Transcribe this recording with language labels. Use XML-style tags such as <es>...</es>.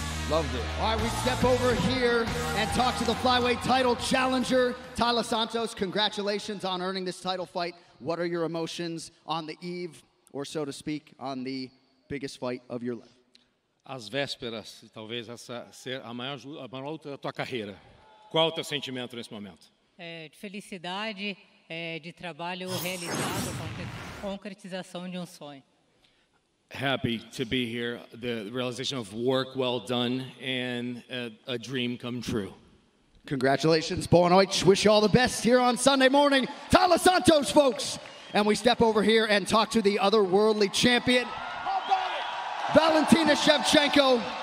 <en>Loved it. All right, we step over here and talk to the flyweight title challenger, Tyler Santos. Congratulations on earning this title fight. What are your emotions on the eve, or so to speak, on the biggest fight of your life?</en> <pt>As vésperas, talvez essa ser a maior luta da tua carreira. Qual é o teu sentimento nesse momento? De felicidade, de trabalho realizado, concretização de sonho.</pt> <en>Happy to be here, the realization of work well done and a dream come true. Congratulations,</en> <pt>boa noite.</pt> <en>Wish you all the best here on Sunday morning. Tyler Santos, folks. And we step over here and talk to the otherworldly champion, Valentina Shevchenko.</en>